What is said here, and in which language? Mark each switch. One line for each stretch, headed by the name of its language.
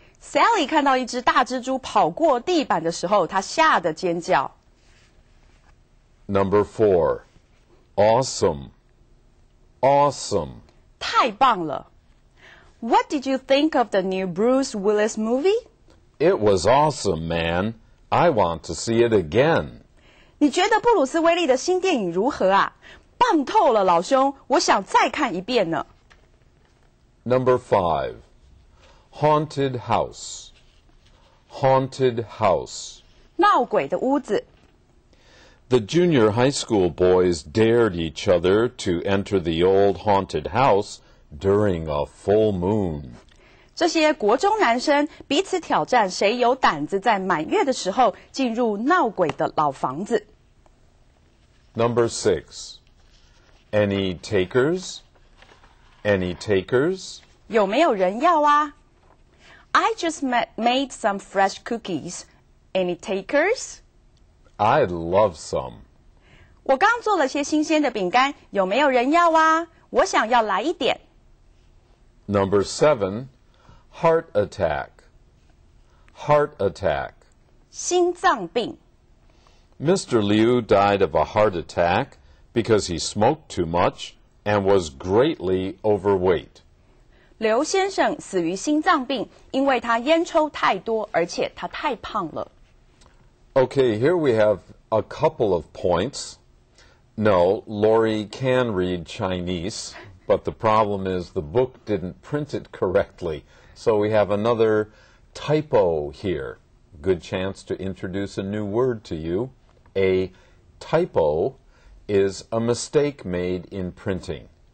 Chinese: Sally 看到一只大蜘蛛跑过地板的时候，她吓得尖叫。
English: Number four, awesome. Awesome.
Chinese: 太棒了。
English: What did you think of the new Bruce Willis movie? It was awesome, man. I want to see it again.
Chinese: 你觉得布鲁斯威利的新电影如何啊？棒透了，老兄，我想再看一遍呢。
English: Number five. Haunted house. Haunted house.
Chinese: 闹鬼的屋子。
English: The junior high school boys dared each other to enter the old haunted house during a full moon.
Chinese: 这些国中男生彼此挑战谁有胆子在满月的时候进入闹鬼的老房子。
English: Number six. Any takers? Any takers?
Chinese: 有没有人要啊?
English: I just made some fresh cookies. Any takers? I'd love some.
Chinese: 我刚做了些新鲜的饼干，有没有人要啊？我想要来一点。
English: Number seven, heart attack. Heart attack.
Chinese: 心脏病。
English: Mr. Liu died of a heart attack because he smoked too much and was greatly overweight.
Chinese: 刘先生死于心脏病，因为他烟抽太多，而且他太胖了。
English: Okay, here we have a couple of points. No, Lori can read Chinese, but the problem is the book didn't print it correctly. So we have another typo here. good chance to introduce a new word to you. A typo is a mistake made in printing.